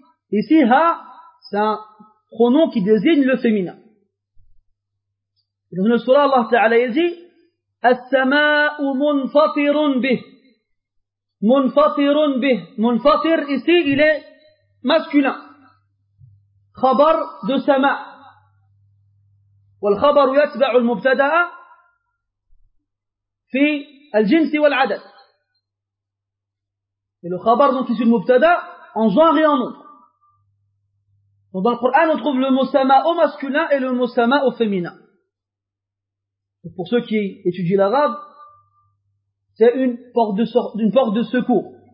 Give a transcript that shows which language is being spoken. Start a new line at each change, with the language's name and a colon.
French: Ici, ha, c'est un pronom qui désigne le féminin. Dans le surah, Allah Ta'ala dit,
Arabic: السماء منفطر به. منفطر به.
French: منفطر, ici, il est masculin.
Arabic: خبر de سماء. والخبر يتبع المبتدا في الجنس والعدد.
French: Et le khabar, donc, issu de mubtada, en genre et en nombre. Donc, dans le Coran, on trouve le mot sama au masculin et le mot sama au féminin. Pour ceux qui étudient l'arabe, c'est une porte de secours.